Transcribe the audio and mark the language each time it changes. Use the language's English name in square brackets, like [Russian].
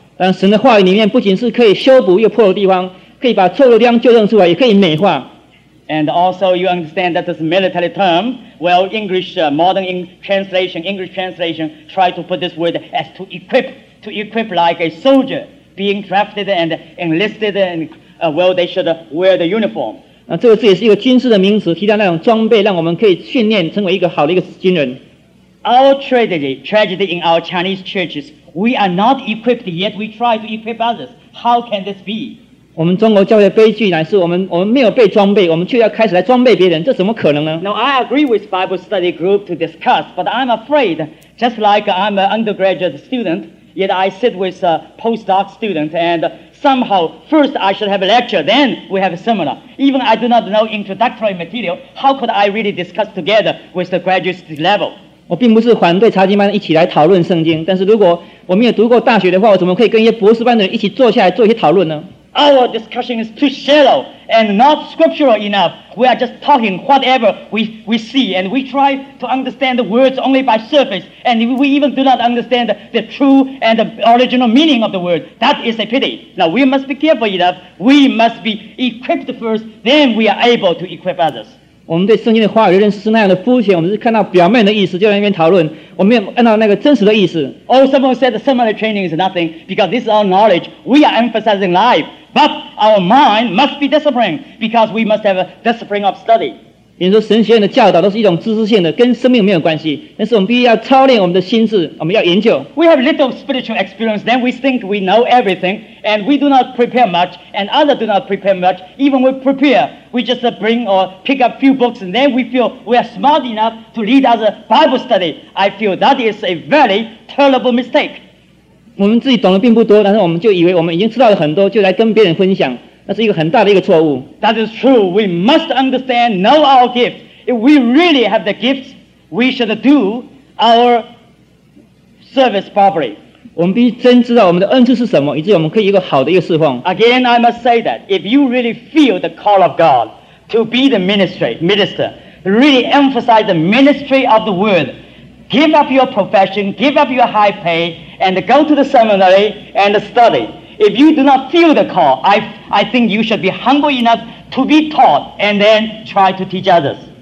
[Chinese] 但神的话语里面不仅是可以修补一个破的地方，可以把错的地方纠正出来，也可以美化。 [English] And also, you understand that this military term, well, English, modern translation, English translation, try to put this word as to equip like a soldier being drafted and enlisted, and well, they should wear the uniform. [Chinese] 那这个字也是一个军事的名词，提到那种装备，让我们可以训练成为一个好的一个军人。 [English] Our tragedy in our Chinese churches, we are not equipped yet, we try to equip others. How can this be? [Chinese] 我们中国教会的悲剧乃是我们没有被装备，我们却要开始来装备别人，这怎么可能呢？ [English] Now I agree with Bible study group to discuss, but I'm afraid, just like I'm an undergraduate student, yet I sit with a postdoc student, and somehow first I should have a lecture, then we have a seminar. Even I do not know introductory material, how could I really discuss together with the graduate level? [Chinese] 我并不是反对查经班一起来讨论圣经，但是如果我没有读过大学的话，我怎么可以跟一些博士班的人一起坐下来做一些讨论呢？ [English] Our discussion is too shallow and not scriptural enough. We are just talking whatever we see, and we try to understand the words only by surface, and we even do not understand the true and the original meaning of the word. That is a pity. Now, we must be careful enough. We must be equipped first, then we are able to equip others. [Chinese] 我们对圣经的话语认识是那样的肤浅，我们是看到表面的意思就在那边讨论，我们没有按照那个真实的意思。 [English] Oh, someone said the seminary training is nothing because this is our knowledge. We are emphasizing life. But our mind must be disciplined because we must have a discipline of study. [Chinese] 比如说神学院的教导都是一种知识性的，跟生命没有关系，但是我们必须要操练我们的心智，我们要研究。 [English] We have little spiritual experience, then we think we know everything, and we do not prepare much, and others do not prepare much. Even we prepare, we just bring or pick up few books, and then we feel we are smart enough to lead us a Bible study. I feel that is a very terrible mistake. [Chinese] 我们自己懂得并不多，但是我们就以为我们已经知道了很多，就来跟别人分享，那是一个很大的一个错误。 [English] That is true. We must understand, know our gifts. If we really have the gifts, we should do our service properly. [Chinese] 我们必须真知道我们的恩赐是什么，以至于我们可以一个好的一个侍奉。 [English] Again, I must say that if you really feel the call of God to be the minister, really emphasize the ministry of the word. Give up your profession, give up your high pay, and go to the seminary and study. If you do not feel the call, I think you should be humble enough to be taught and then try to teach others.